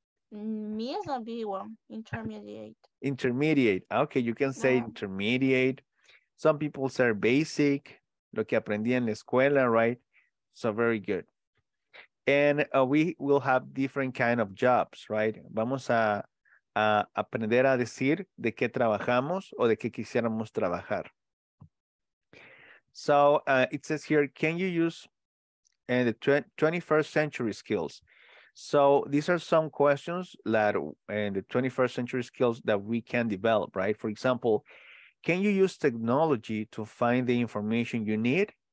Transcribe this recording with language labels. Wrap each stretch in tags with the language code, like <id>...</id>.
<en>Me is a big one. Intermediate. Intermediate. Okay, you can say intermediate. Some people say basic.</en> <es>Lo que aprendí en la escuela, right?</es> <en>So very good. And we will have different kind of jobs, right?</en> <es>Vamos a aprender a decir de qué trabajamos o de qué quisiéramos trabajar.</es> <en>So it says here, can you use the 21st century skills? So these are some questions that in the 21st century skills that we can develop, right? For example, can you use technology to find the information you need?</en>